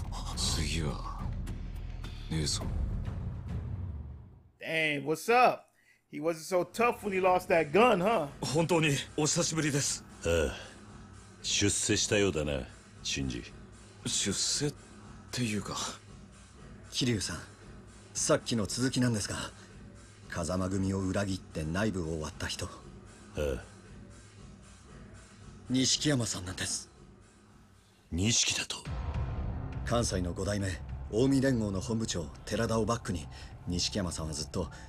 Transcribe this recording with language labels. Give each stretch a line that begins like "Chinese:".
Japanese: 田中のおじいちゃん。シンジ。何やってんだこんなところで。島の組の縄張りじゃねえだろ。次はねえぞ。
English: Hey, what's up? He wasn't so tough when he lost that gun, huh?
Japanese: 本当にお久しぶりです。出世したようだな、シンジ。出世っていうか、桐生さん、さっきの続きなんですが、風間組を裏切って内部を割った人。錦山さんなんです。錦だと。関西の5代目近江連合の本部長寺田をバックに錦山さんはずっと